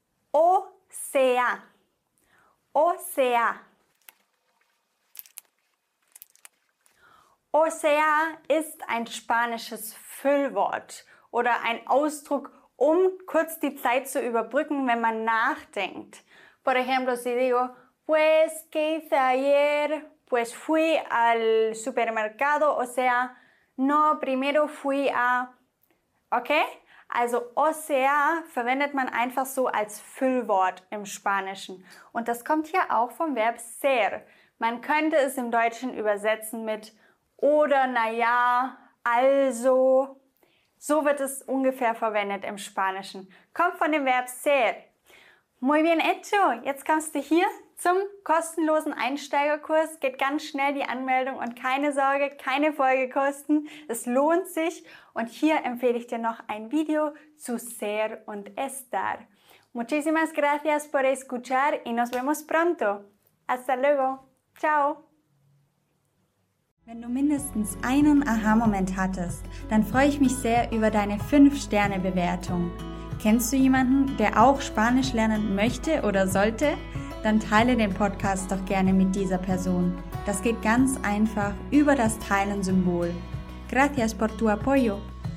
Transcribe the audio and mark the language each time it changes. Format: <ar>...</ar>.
<es>O sea. O sea.</es> <de>O sea ist ein spanisches Füllwort oder ein Ausdruck, um kurz die Zeit zu überbrücken, wenn man nachdenkt.</de> <es>Por ejemplo, si digo, pues, ¿qué hice ayer? Pues fui al supermercado, o sea, no, primero fui a... Okay?</es> <de>Also, o sea, verwendet man einfach so als Füllwort im Spanischen. Und das kommt hier auch vom Verb ser. Man könnte es im Deutschen übersetzen mit oder, naja, also. So wird es ungefähr verwendet im Spanischen. Kommt von dem Verb ser.</de> <es>Muy bien hecho.</es> <de>Jetzt kommst du hier zum kostenlosen Einsteigerkurs. Geht ganz schnell die Anmeldung und keine Sorge, keine Folgekosten. Es lohnt sich. Und hier empfehle ich dir noch ein Video zu ser und estar.</de> <es>Muchísimas gracias por escuchar y nos vemos pronto. Hasta luego. Ciao.</es> <de>Wenn du mindestens einen Aha-Moment hattest, dann freue ich mich sehr über deine 5-Sterne-Bewertung. Kennst du jemanden, der auch Spanisch lernen möchte oder sollte? Dann teile den Podcast doch gerne mit dieser Person. Das geht ganz einfach über das Teilen-Symbol.</de> <es>Gracias por tu apoyo.</es>